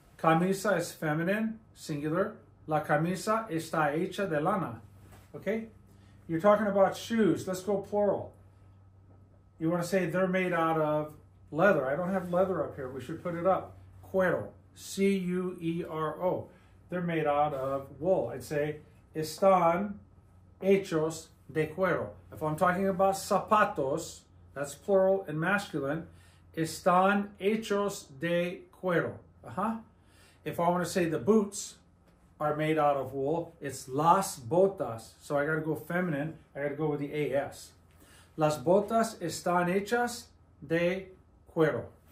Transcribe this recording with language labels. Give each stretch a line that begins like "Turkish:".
English: Camisa is feminine, singular.
Spanish: La camisa está hecha de lana.
English: Okay? You're talking about shoes. Let's go plural. You want to say they're made out of leather. I don't have leather up here. We should put it up. Cuero. C-U-E-R-O. They're made out of wool. I'd say
Spanish: están hechos de cuero.
English: If I'm talking about zapatos, that's plural and masculine.
Spanish: Están hechos de cuero. Uh-huh.
English: If I want to say the boots are made out of wool, it's las botas. So I got to go feminine. I got to go with the A-S.
Spanish: Las botas están hechas de cuero.